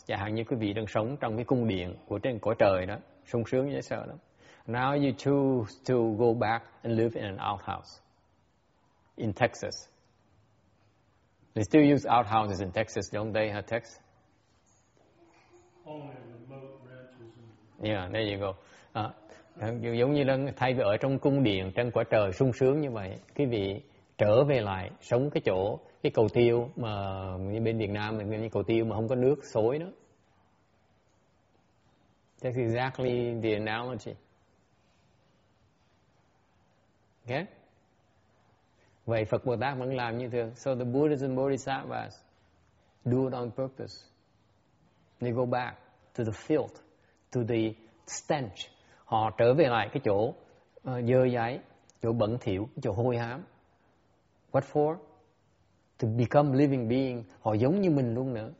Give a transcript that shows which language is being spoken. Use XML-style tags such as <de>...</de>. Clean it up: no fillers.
<vi>Chẳng hạn như quý vị đang sống trong cái cung điện của trên cõi trời đó, sung sướng dễ sợ lắm.</vi> <en>Now you choose to go back and live in an outhouse in Texas. They still use outhouses in Texas, don't they, huh, Tex? Only remote ranches. Yeah, there you go.</en> <vi>Giống như đang thay vì ở trong cung điện trên quả trời sung sướng như vậy, quý vị trở về lại sống cái chỗ cái cầu tiêu mà như bên Việt Nam mình như cầu tiêu mà không có nước xối nữa.</vi> <en>That's exactly the analogy.</en> <vi>Okay? Vậy Phật Bồ Tát vẫn làm như thường.</vi> <en>So the Buddhas and Bodhisattvas do it on purpose. They go back to the filth, to the stench.</en> <vi>Họ trở về lại cái chỗ dơ dáy, chỗ bẩn thỉu, chỗ hôi hám.</vi> <en>What for? To become living being.</en> <vi>Họ giống như mình luôn nữa.</vi>